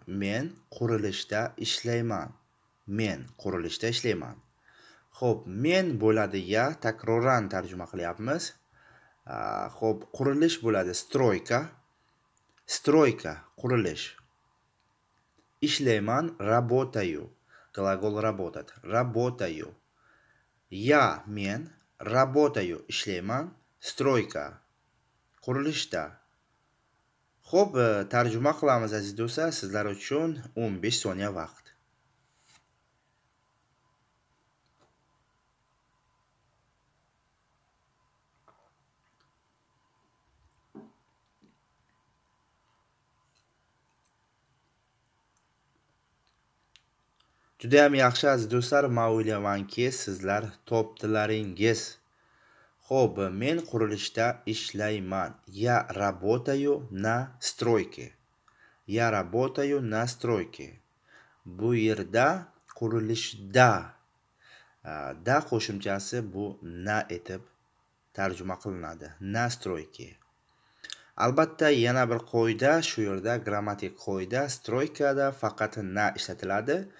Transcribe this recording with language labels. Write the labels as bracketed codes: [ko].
[uz] Men qurilishda ishlayman. Men qurilishda ishlayman. Xo'p, men bo'ladi ya, takroran tarjima qilyapmiz. Xo'p, qurilish bo'ladi, stroyka. Stroyka, qurilish. Ishlayman, rabotayu. [ru] Glagol работать. Работаю. Я, мен, работаю, işleman, стройка, kuruluşta. [uz] Xo'p, tarjuma qilamiz aziz do'stlar, sizlar uchun 15 soniya vaqt. Juda ham yaxshi aziz do'stlar, men o'ylaymanki, sizlar topdilaringiz. Xo'p, men qurilishda ishlayman. [ru] Ya работаю на стройке. Ya работаю на стройке. [uz] Bu yerda qurilishda da qo'shimchasi bu na etib tarjima qilinadi. [ru] На стройке. [uz] Albatta yana bir qoida, shu yerda grammatik qoida, stroykada faqat na ishlatiladi.